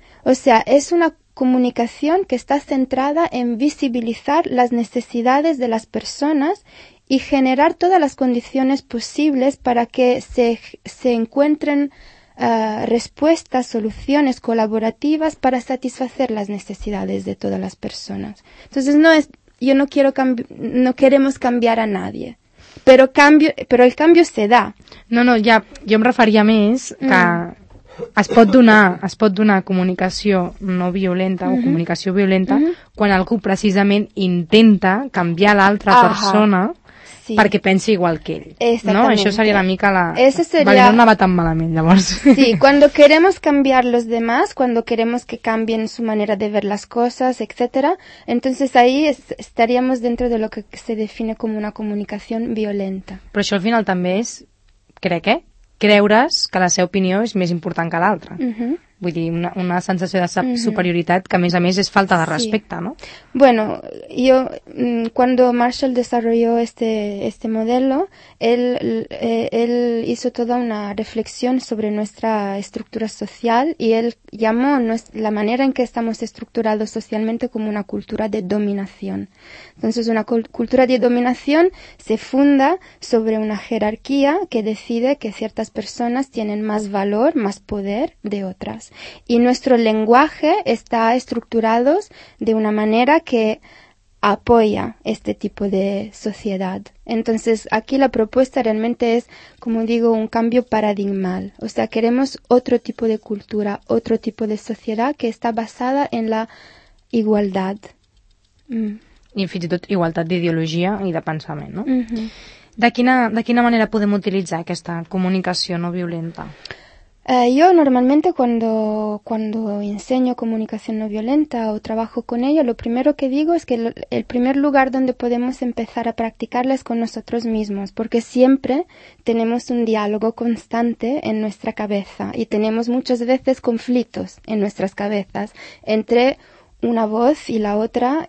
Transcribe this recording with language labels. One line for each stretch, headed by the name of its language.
Spanish: O sea, es una comunicación que está centrada en visibilizar las necesidades de las personas y generar todas las condiciones posibles para que se encuentren respuestas, soluciones colaborativas para satisfacer las necesidades de todas las personas. Entonces, no queremos cambiar a nadie, pero el cambio se da.
Catalan: No, jo em referia més que es pot donar comunicació no violenta o comunicació violenta quan algú precisament intenta canviar l'altra persona. Sí. Perquè pensi igual que ell. Exactament. No? Això seria una mica la...
Spanish: Eso sería...
Catalan: Vale, no anava tan malament, llavors.
Spanish: Sí, cuando queremos cambiar los demás, cuando queremos que cambien su manera de ver las cosas, etcétera, entonces ahí estaríamos dentro de lo que se define como una comunicación violenta.
Catalan: Però això al final també és, crec, creure's que la seva opinió és més important que l'altra. Vull dir, una sensació de superioritat que, a més, és falta de respecte, sí. No?
Spanish: Bueno, yo, cuando Marshall desarrolló este modelo, él hizo toda una reflexión sobre nuestra estructura social y él llamó la manera en que estamos estructurados socialmente como una cultura de dominación. Entonces, una cultura de dominación se funda sobre una jerarquía que decide que ciertas personas tienen más valor, más poder de otras. Y nuestro lenguaje está estructurado de una manera que apoya este tipo de sociedad. Entonces, aquí la propuesta realmente es, como digo, un cambio paradigmal. O sea, queremos otro tipo de cultura, otro tipo de sociedad que está basada en la igualdad.
Catalan: Mm. I fins i tot igualtat d'ideologia i de pensament, no? Mm-hmm. De quina manera podem utilitzar aquesta comunicació no violenta?
Spanish: Yo normalmente cuando enseño comunicación no violenta o trabajo con ella, lo primero que digo es que el primer lugar donde podemos empezar a practicarla es con nosotros mismos, porque siempre tenemos un diálogo constante en nuestra cabeza y tenemos muchas veces conflictos en nuestras cabezas entre una voz y la otra.